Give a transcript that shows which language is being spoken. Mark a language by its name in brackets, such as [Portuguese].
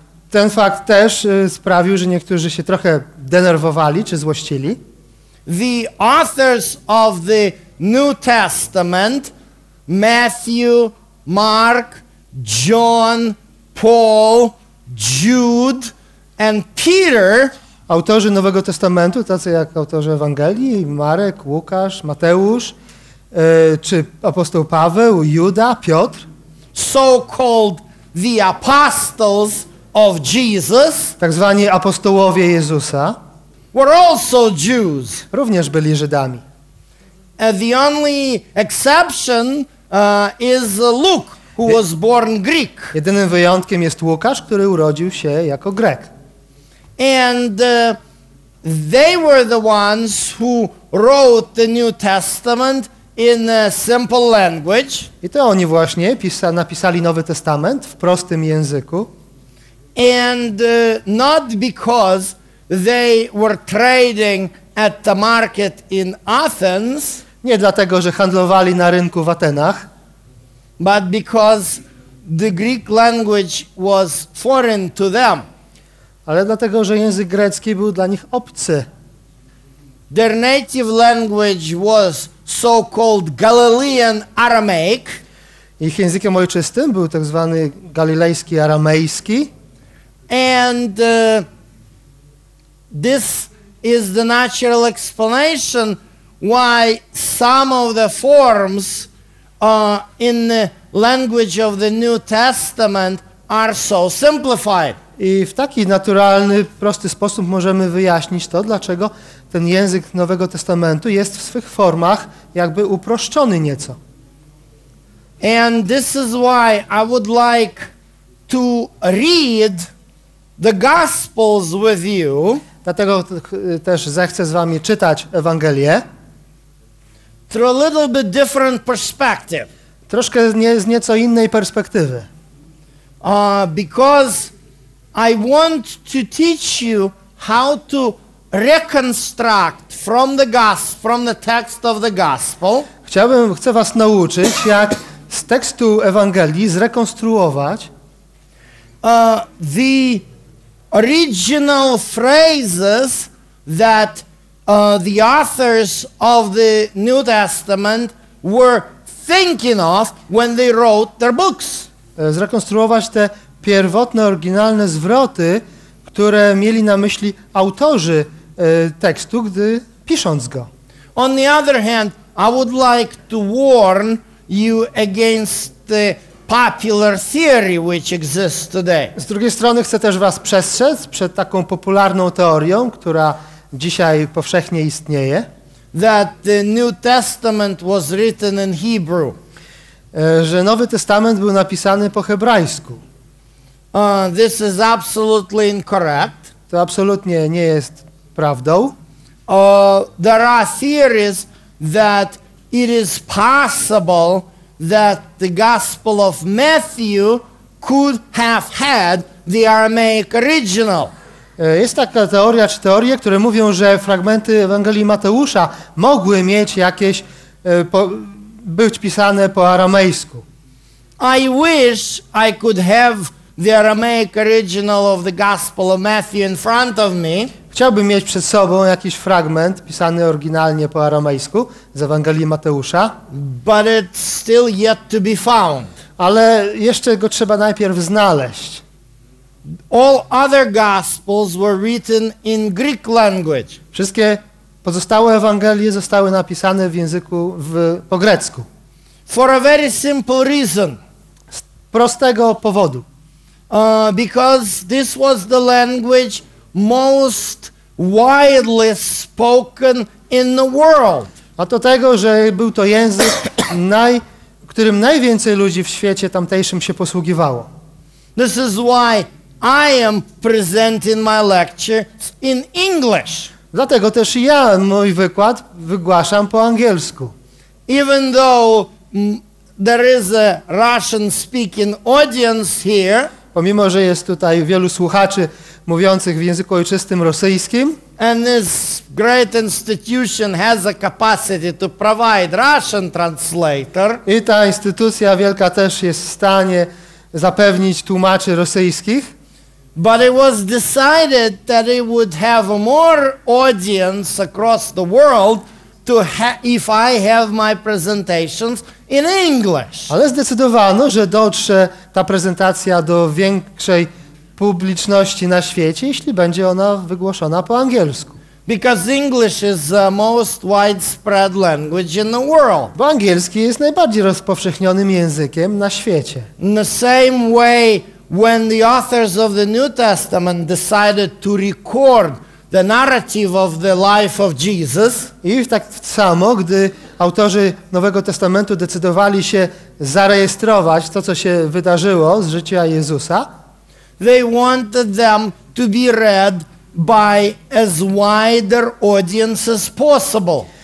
[Polish] Ten fakt też sprawił, że niektórzy się trochę denerwowali czy złościli. [English] The authors of the New Testament, Matthew, Mark, John, Paul, Jude and Peter. [Polish] Autorzy Nowego Testamentu, tacy jak autorzy Ewangelii, Marek, Łukasz, Mateusz, czy apostoł Paweł, Juda, Piotr, [English] so called the apostles of Jesus, [Polish] tak zwani apostołowie Jezusa, [English] were also Jews. [Polish] Również byli Żydami. [English] The only exception is Luke, who was born Greek. [Polish] Jedynym wyjątkiem jest Łukasz, który urodził się jako Grek. [English] And they were the ones who wrote the New Testament in a simple language. [Polish] I to oni właśnie napisali Nowy Testament w prostym języku. [English] And not because they were trading at the market in Athens. [Polish] Nie dlatego, że handlowali na rynku w Atenach. [English] But because the Greek language was foreign to them. [Polish] Ale dlatego, że język grecki był dla nich obcy. [English] Their native language was so-called Galilean Aramaic. [Polish] Ich językiem ojczystym był tak zwany galilejski aramejski. [English] And this is the natural explanation why some of the forms in the language of the New Testament are so simplified. [Polish] I w taki naturalny, prosty sposób możemy wyjaśnić to, dlaczego ten język Nowego Testamentu jest w swych formach jakby uproszczony nieco. [English] And this is why I would like to read the Gospels with you. [Polish] Dlatego też zechcę z wami czytać Ewangelię. [English] Through a little bit different perspective. [Polish] Troszkę z nieco innej perspektywy. [English] Because I want to teach you how to reconstruct from the text of the Gospel. [Polish] Chcę was nauczyć, jak z tekstu Ewangelii zrekonstruować [English] the original phrases that the authors of the New Testament were thinking of when they wrote their books. [Polish] Zrekonstruować te pierwotne, oryginalne zwroty, które mieli na myśli autorzy tekstu, gdy pisząc go. [English] On the other hand, I would like to warn you against the popular theory which exists today. [Polish] Z drugiej strony chcę też was przestrzec przed taką popularną teorią, która dzisiaj powszechnie istnieje. [English] That the New Testament was written in Hebrew. [Polish] Że Nowy Testament był napisany po hebrajsku. [English] This is absolutely incorrect. [Polish] To absolutnie nie jest prawdą. [English] There are theories that it is possible that the Gospel of Matthew could have had the Aramaic original. [Polish] Jest taka teoria czy teorie, które mówią, że fragmenty Ewangelii Mateusza mogły mieć jakieś być pisane po aramejsku. [English] I wish I could have the Aramaic original of the Gospel of Matthew in front of me. [Polish] Chciałbym mieć przed sobą jakiś fragment pisany oryginalnie po aramejsku z Ewangelii Mateusza. [English] But it's still yet to be found. [Polish] Ale jeszcze go trzeba najpierw znaleźć. [English] All other gospels were written in Greek language. [Polish] Wszystkie pozostałe Ewangelie zostały napisane w języku po grecku. [English] For a very simple reason. [Polish] Z prostego powodu. [English] Because this was the language most widely spoken in the world. [Polish] A to tego, że był to język, którym najwięcej ludzi w świecie tamtejszym się posługiwało. [English] This is why I am presenting my lecture in English. [Polish] Dlatego też ja mój wykład wygłaszam po angielsku. [English] Even though there is a Russian-speaking audience here. [Polish] Pomimo, że jest tutaj wielu słuchaczy mówiących w języku ojczystym rosyjskim. [English] And this great institution has a capacity to provide Russian translator. [Polish] I ta instytucja wielka też jest w stanie zapewnić tłumaczy rosyjskich. [English] But it was decided that it would have more audience across the world to if I have my presentations in English. [Polish] Ale zdecydowano, że dotrze ta prezentacja do większej publiczności na świecie, jeśli będzie ona wygłoszona po angielsku. [English] Because English is the most widespread language in the world. [Polish] Bo angielski jest najbardziej rozpowszechnionym językiem na świecie. [English] In the same way, when the authors of the New Testament decided to record the narrative of the life of Jesus. [Polish] I tak samo, gdy autorzy Nowego Testamentu decydowali się zarejestrować to, co się wydarzyło z życia Jezusa. [English] They wanted them to be read by as wider audience as possible.